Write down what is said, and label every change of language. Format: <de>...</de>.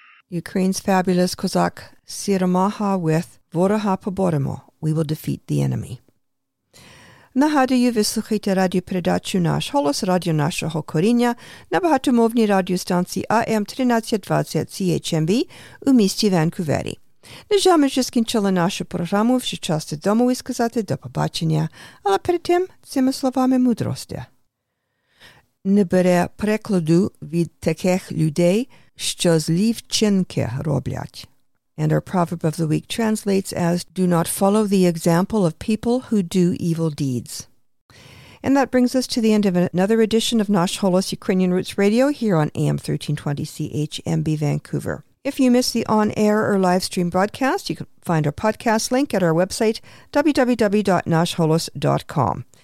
<en>Ukraine's fabulous Kozak Siromaha with Voroha Poboremo, We Will Defeat the Enemy.</en> <uk>Нагадую, ви слухаєте радіопередачу «Наш голос», радіо нашого коріння на багатомовній радіостанції АМ 1320 CHMB у місті Ванкувері. На жаль, ми вже скінчили нашу програму, вже час додому і сказати до побачення, але перед тим цими словами мудрості. Не бере прикладу від таких людей, що злі вчинки роблять.</uk> <en>And our proverb of the week translates as, do not follow the example of people who do evil deeds. And that brings us to the end of another edition of Nash Holos Ukrainian Roots Radio here on AM 1320 CHMB Vancouver. If you miss the on-air or live stream broadcast, you can find our podcast link at our website, www.nashholos.com.</en>